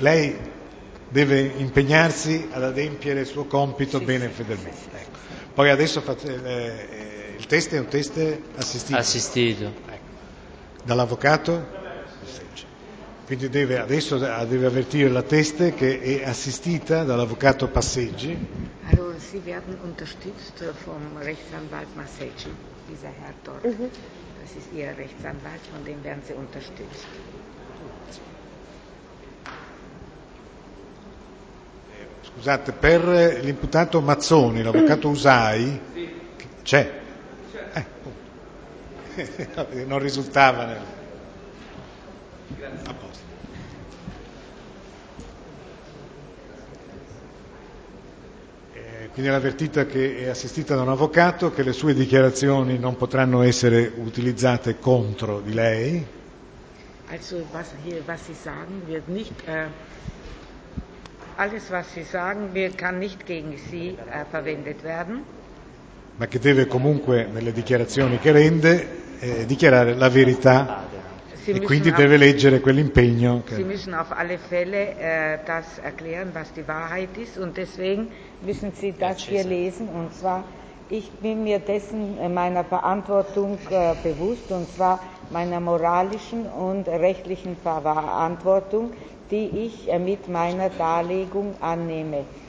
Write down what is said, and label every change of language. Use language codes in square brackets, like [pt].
[it] Lei deve impegnarsi ad adempiere il suo compito bene fedelmente. Sì, sì. Ecco. Poi adesso il test è un test assistito. Assistito. Ecco. Dall'avvocato? Quindi deve avvertire la teste che è assistita dall'avvocato Passeggi. Allora, sì, [de] wir haben unterstützt vom Rechtsanwalt Passeggi, dieser Herr dort. Das ist Ihr Rechtsanwalt, von dem werden Sie unterstützt. [it] Scusate, per l'imputato Mazzoni, l'avvocato Usai, c'è? Non risultava nel... Grazie. Apposta. Quindi è l'avvertita che è assistita da un avvocato, che le sue dichiarazioni non potranno essere utilizzate contro di lei. [de] Also was hier, was Sie sagen, wird nicht alles was Sie sagen, kann nicht gegen Sie verwendet werden. [it] Ma che deve comunque nelle dichiarazioni che rende dichiarare la verità. [de] Sie [it] e quindi deve leggere quell'impegno. Che... [de] Sie müssen auf alle Fälle das erklären, was die Wahrheit ist, und deswegen müssen Sie das hier lesen. Und zwar, ich bin mir dessen meiner Verantwortung bewusst, und zwar meiner moralischen und rechtlichen Verantwortung, die ich mit meiner Darlegung annehme.